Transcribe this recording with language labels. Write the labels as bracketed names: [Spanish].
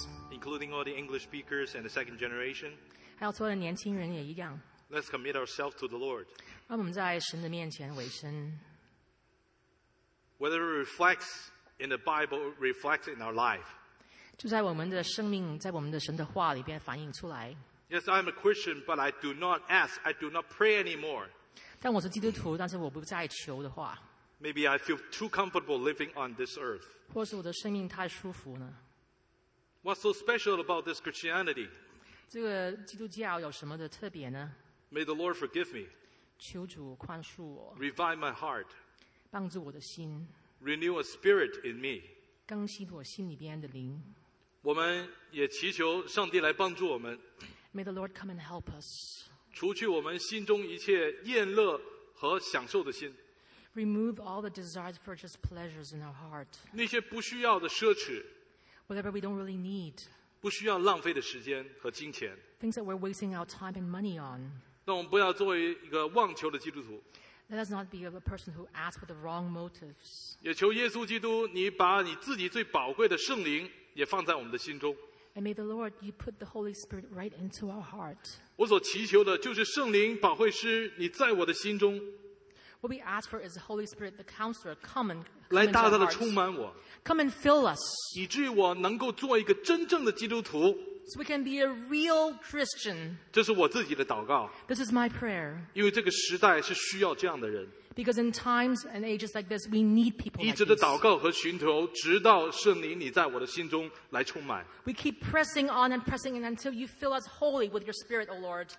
[English] Including all the English speakers and the second generation. [Chinese] 还有所有的年轻人也一样。 [English] Let's commit ourselves to the Lord. [Chinese] 让我们在神的面前委身。 [English] Whether it reflects in the Bible, reflects in our life. [Chinese] 就在我们的生命，在我们的神的话里边反映出来。 [English] Yes, I'm a Christian, but I do not ask, I do not pray anymore. [Chinese] 但我是基督徒，但是我不再求的话。 [English] Maybe I feel too comfortable living on this earth. [Chinese] 或是我的生命太舒服呢。 [English] What's so special about this Christianity? [Chinese] 这个基督教有什么的特别呢？ [English] May the Lord forgive me. [Chinese] 求主宽恕我。 [English] Revive my heart. [Chinese] 帮助我的心。 [English] Renew a spirit in me. [Chinese] 更新我心里边的灵。我们也祈求上帝来帮助我们。 [English] May the Lord come and help us. [Chinese] 除去我们心中一切厌乐和享受的心。 [English] Remove all the desires for just pleasures in our heart. [Chinese] 那些不需要的奢侈。 [English] Whatever we don't really need. [Chinese] 不需要浪费的时间和金钱。 [English] Things that we're wasting our time and money on. [Chinese] 让我们不要作为一个妄求的基督徒。 [English] Let us not be a person who asks with the wrong motives. [Chinese] 也求耶稣基督，你把你自己最宝贵的圣灵也放在我们的心中。 [English] And may the Lord, you put the Holy Spirit right into our heart. [Chinese] 我所祈求的就是圣灵保惠师，你在我的心中。 [English] What we ask for is the Holy Spirit, the Counselor, come and [Chinese] 来大大的充满我 [English] come and fill us, [Chinese] 以至于我能够做一个真正的基督徒 [English] so we can be a real Christian. [Chinese] 这是我自己的祷告 [English] This is my prayer. [Chinese] 因为这个时代是需要这样的人 [English] Because in times and ages like this, we need people. [Chinese] 一直的祷告和寻求，直到圣灵你在我的心中来充满 [English] We keep pressing on and pressing in until you fill us wholly with your Spirit, O Lord.